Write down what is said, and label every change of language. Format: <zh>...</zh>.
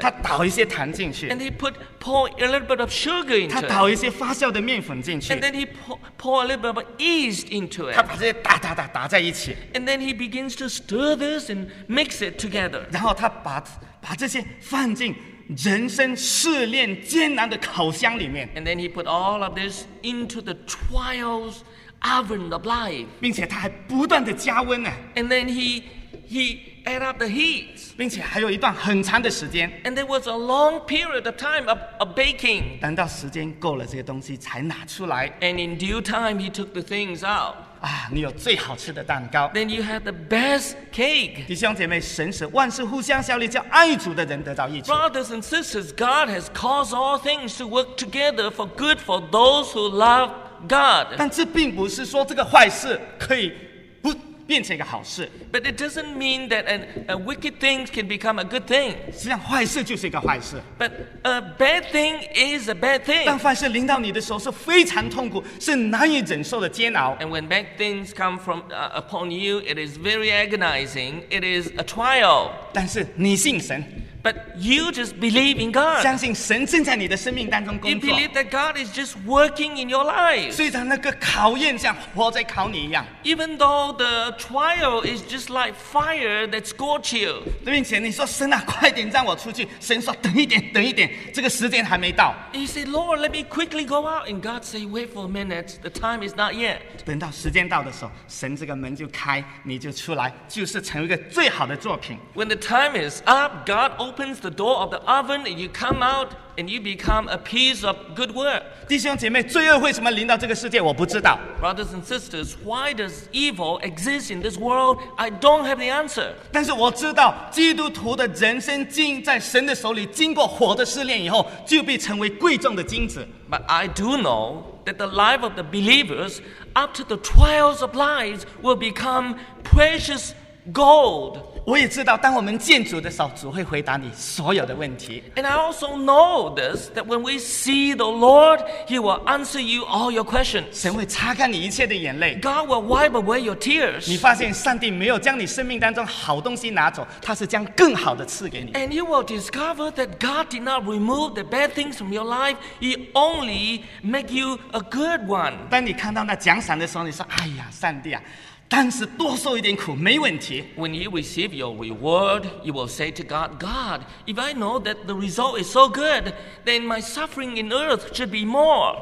<zh>他倒一些糖进去</zh> <en>，And he put pour a little bit of sugar into it。</en> <zh>他倒一些发酵的面粉进去</zh> <en>，And then he pour a little bit of yeast into it。</en> <zh>他把这些打在一起</zh> <en>，And then he begins to stir this and mix it together。</en> <zh>然后他把这些放进。人生试炼艰难的烤箱里面</zh> <en>，and then he put all of this into the trials oven of life，</en> <zh>并且他还不断的加温呢</zh> <en>，and then he add up the heat，</en> <zh>并且还有一段很长的时间</zh> <en>，and there was a long period of time of baking，</en> <zh>等到时间够了，这些东西才拿出来</zh> <en>，and in due time he took the things out。</en> <zh>啊，你有最好吃的蛋糕。</zh> <en>Then you have the best cake.</en> <zh>弟兄姐妹，神使万事互相效力，叫爱主的人得到益处。</zh> <en>Brothers and sisters, God has caused all things to work together for good for those who love God.</en> <zh>但这并不是说这个坏事可以不变成一个好事。</zh> <en>But it doesn't mean that a wicked thing can become a good thing.</en> <zh>实际上，坏事就是一个坏事。</zh> <en>But a bad thing is a bad thing.</en> <zh>当坏事临到你的时候，是非常痛苦，是难以忍受的煎熬。</zh> <en>And when bad things come from upon you, it is very agonizing. It is a trial.</en> <zh>但是你信神。</zh> <en>But you just believe in God.</en> <zh>相信神正在你的生命当中工作。</zh> <en>You believe that God is just working in your life.</en> <zh>虽然那个考验像火在烤你一样。</zh> <en>Even though the trial is just like fire that scorches you.</en> <zh>并且你说神啊，快点让我出去。神说等一点，这个时间还没到。</zh> <en>You say, Lord, let me quickly go out. And God say, wait for a minute. The time is not yet.</en> <zh>等到时间到的时候，神这个门就开，你就出来，就是成为一个最好的作品。</zh> <en>When the time is up, God opens the door of the oven and you come out and you become a piece of good work.</en> <zh>弟兄姐妹，罪恶为什么临到这个世界？我不知道。</zh> <en>Brothers and sisters, why does evil exist in this world? I don't have the answer.</en> <zh>但是我知道，基督徒的人生经在神的手里，经过火的试炼以后，就必成为贵重的金子。</zh> <en>But I do know that the life of the believers after the trials of life will become precious gold.</en> <zh>我也知道，当我们见主的时候，主会回答你所有的问题。</zh> <en>And I also know this that when we see the Lord, He will answer you all your questions.</en> <zh>神会擦干你一切的眼泪。</zh> <en>God will wipe away your tears.</en> <zh>你发现上帝没有将你生命当中好东西拿走，他是将更好的赐给你。</zh> <en>And you will discover that God did not remove the bad things from your life. He only make you a good one.</en> <zh>当你看到那奖赏的时候，你说：“哎呀，上帝啊！” 但是多受一点苦没问题。</zh> <en>When you receive your reward, you will say to God, God, if I know that the result is so good, then my suffering in earth should be more.</en>